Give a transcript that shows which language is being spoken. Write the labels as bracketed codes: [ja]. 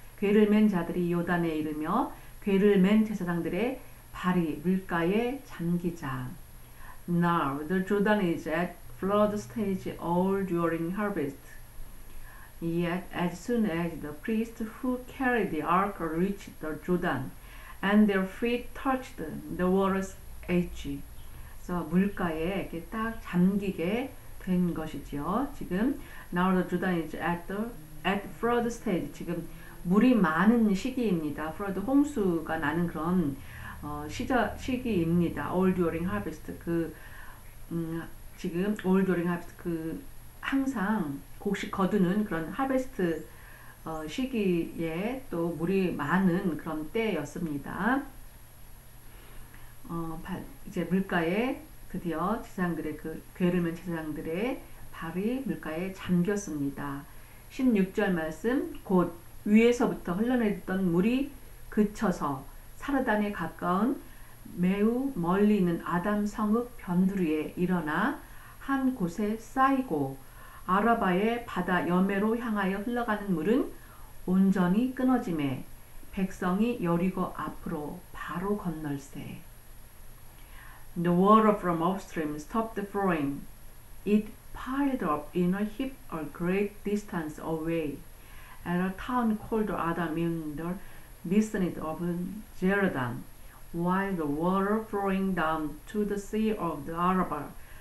[ko] 궤를 맨 자들이 요단에 이르며 궤를 맨 제사장들의 발이 물가에 잠기자. [en] Now the Jordan is at flood stage all during harvest. Yet as soon as the priest who carried the ark reached the Jordan and their feet touched the water's edge. [ko] So 물가에 이렇게 딱 잠기게 된 것이지요. [en] 지금 Now the Jordan is at flood stage. [ko] 지금 물이 많은 시기입니다. [en] Flood [ko] 홍수가 나는 그런 시기입니다. [en] All during harvest. [ko] 지금 [en] All during harvest. [ko] 그 항상 곡식 거두는 그런 harvest 시기에 또 물이 많은 그런 때였습니다. 이제 물가에 드디어 제사장들의 그 궤를 맨 제사장들의 발이 물가에 잠겼습니다. 16절 말씀, 곧 위에서부터 흘러내렸던 물이 그쳐서 사르단에 가까운 매우 멀리 있는 아담 성읍 변두리에 일어나 한 곳에 쌓이고 아라바의 바다 여매로 향하여 흘러가는 물은 온전히 끊어짐에 백성이 여리고 앞으로 바로 건널세. [en] The water from upstream stopped flowing. It piled up in a heap a great distance away at a town called Adam in the vicinity of Zeredan, while the water flowing down to the Sea of the Arabah